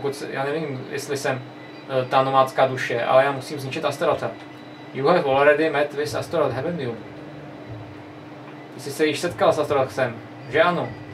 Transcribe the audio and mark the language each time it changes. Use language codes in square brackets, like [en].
[cs] Já nevím, jestli jsem ta nomádská duše, ale já musím zničit Astarotha. [en] You have already met with Astaroth, haven't you? [cs] Ty jsi se již setkal s Astarothem, že ano?